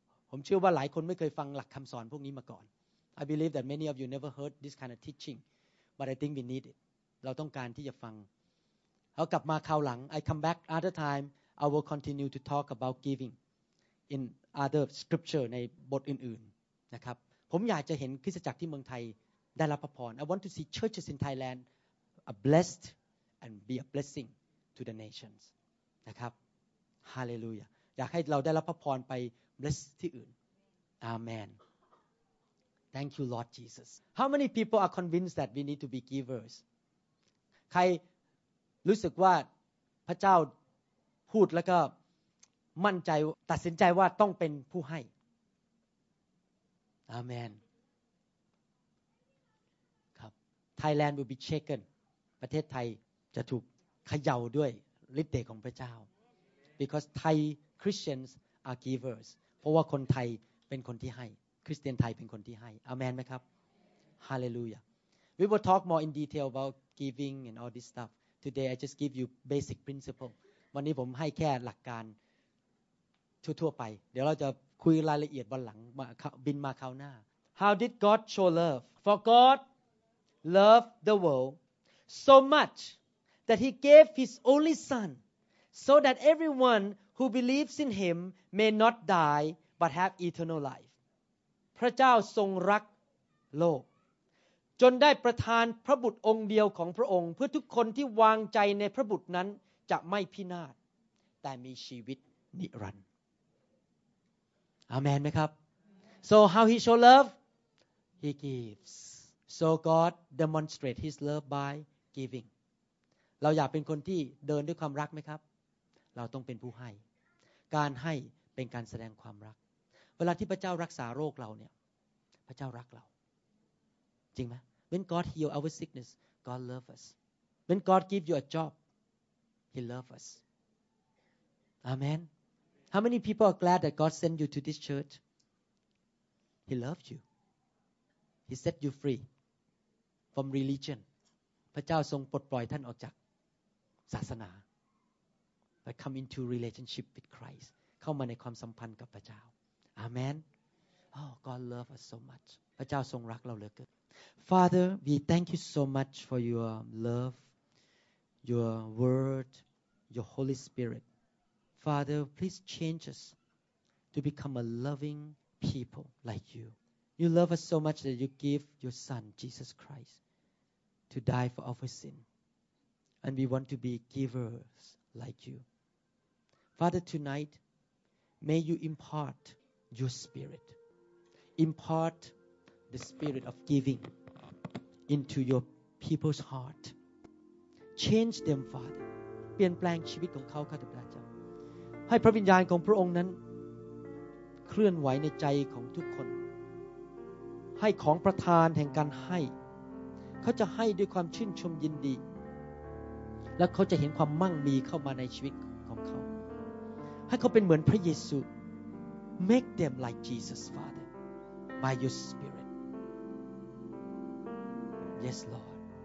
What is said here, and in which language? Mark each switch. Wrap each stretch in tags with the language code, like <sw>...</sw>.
<th>ผมเชื่อว่าหลายคนไม่เคยฟังหลักคำสอนพวกนี้มาก่อน.</th> <en>I believe that many of you never heard this kind of teaching, but I think we need it.</en> <th>เราต้องการที่จะฟัง เรากลับมาคราวหลัง</th> <en>I come back other time, I will continue to talk about giving in other scripture</en> <th>ในบทอื่นๆนะครับ ผมอยากจะเห็นคริสตจักรที่เมืองไทยได้รับพระพร</th> <en>I want to see churches in Thailand are blessed and be a blessing to the nations.</en> <th>นะครับ Hallelujah. อยากให้เราได้รับพระพรไป bless ที่อื่น Amen.</th> <en>Thank you, Lord Jesus. How many people are convinced that we need to be givers?</en> <th>ใครรู้สึกว่าพระเจ้าพูดแล้วก็มั่นใจตัดสินใจว่าต้องเป็นผู้ให้ Amen. ครับ</th> <en>Thailand will be shaken.</en> <th>ประเทศไทยจะถูกเขย่าด้วยฤทธิ์เดชของพระเจ้า</th> <en>because Thai Christians are givers</en> <th>เพราะว่าคนไทยเป็นคนที่ให้คริสเตียนไทยเป็นคนที่ให้อาเมนไหมครับฮาเลลูยา</th> <en>we will talk more in detail about giving and all this stuff today I just give you basic principle</en> <th>วันนี้ผมให้แค่หลักการทั่วๆไปเดี๋ยวเราจะคุยรายละเอียดวันหลังมาบินมาคราวหน้า</th> <en>How did God show love? For God loved the world so much that he gave his only son so that everyone who believes in him may not die but have eternal life.</en> <th>พระเจ้าทรงรักโลกจนได้ประทานพระบุตรองค์เดียวของพระองค์เพื่อทุกคนที่วางใจในพระบุตรนั้นจะไม่พินาศแต่มีชีวิตนิรันดร์Amen, ไหมครับ</th> <en>So how he show love? He gives. So God demonstrate his love by giving.</en> <th>เราอยากเป็นคนที่เดินด้วยความรักไหมครับเราต้องเป็นผู้ให้การให้เป็นการแสดงความรักเวลาที่พระเจ้ารักษาโรคเราเนี่ยพระเจ้ารักเราจริงไหม</th> <en>When God heal our sickness, God love us. When God give you a job, he love us. Amen. How many people are glad that God sent you to this church? He loved you. He set you free from religion.</en> <th>พระเจ้าทรงปลดปล่อยท่านออกจากศาสนา</th> <en>But come into relationship with Christ.</en> <th>เข้ามาในความสัมพันธ์กับพระเจ้า Amen.</th> <en>Oh, God loves us so much.</en> <th>พระเจ้าทรงรักเราเหลือเกิน</th> <en>Father, we thank you so much for your love, your word, your Holy Spirit. Father, please change us to become a loving people like you. You love us so much that you give your son, Jesus Christ, to die for our sin. And we want to be givers like you. Father, tonight, may you impart your spirit. Impart the spirit of giving into your people's heart. Change them, Father.</en> <th>เปลี่ยนแปลงชีวิตของเขาข้าแต่พระเจ้าให้พระวิญญาณของพระองค์นั้นเคลื่อนไหวในใจของทุกคนให้ของประทานแห่งการให้เขาจะให้ด้วยความชื่นชมยินดีและเขาจะเห็นความมั่งมีเข้ามาในชีวิตของเขาให้เขาเป็นเหมือนพระเยซู</th> <en>Make them like Jesus Father by your spirit Yes Lord</en>